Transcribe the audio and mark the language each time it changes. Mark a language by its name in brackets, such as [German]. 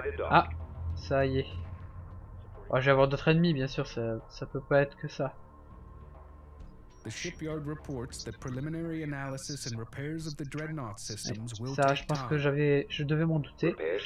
[French] Ah, ça y est. Oh, je vais avoir d'autres ennemis bien sûr, ça peut pas être que ça. [English] The shipyard reports that preliminary analysis and repairs of the dreadnought systems will [French] ça, je pense que je devais m'en douter.